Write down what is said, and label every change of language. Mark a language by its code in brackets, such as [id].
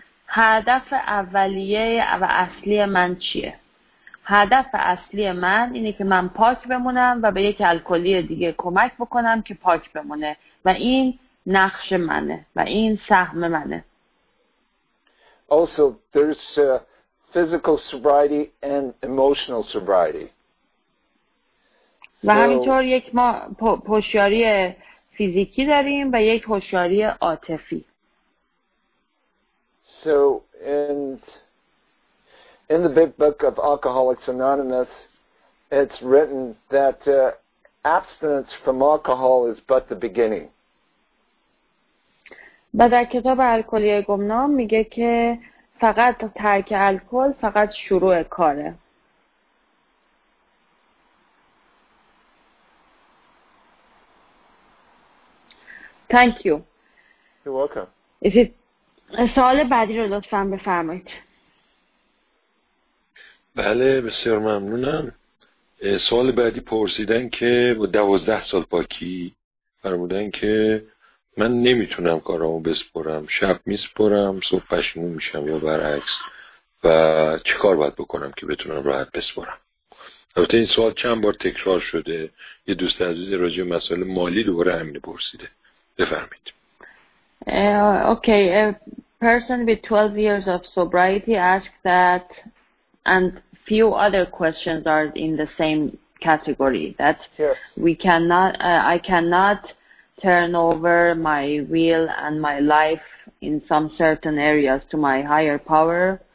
[fa] هدف اولیه و اصلی من چیه؟ هدف اصلی من اینه که من پاک بمونم و به یک الکلی دیگه کمک بکنم که پاک بمونه و این نقش منه و این سهم منه. [en] Also, there's physical sobriety and emotional sobriety. [fa] و همینطور یک ما هوشیاری فیزیکی داریم و یک هوشیاری عاطفی. [en] So, in the big book of Alcoholics Anonymous, it's written that abstinence from alcohol is but the beginning. [fa] و در کتاب الکلی گمنام میگه که فقط ترک الکل فقط شروع کاره. [en] Thank you. You're welcome. If it... [fa] سوال بعدی رو لطفا بفرمایید. بله، بسیار ممنونم. سوال بعدی پرسیدن که 12 سال پاکی فرمودن که من نمیتونم کارامو بسپرم، شب میسپرم صبح پشیمون میشم یا برعکس، و چه کار باید بکنم که بتونم راحت بسپرم؟ البته این سوال چند بار تکرار شده، یه دوست عزیز راجع به مسائل مالی دوباره همین پرسیده. بفرمایید. [en] Okay, a person with 12 years of sobriety asked that and few other questions are in the same category that I cannot turn over my will and my life in some certain areas to my higher power.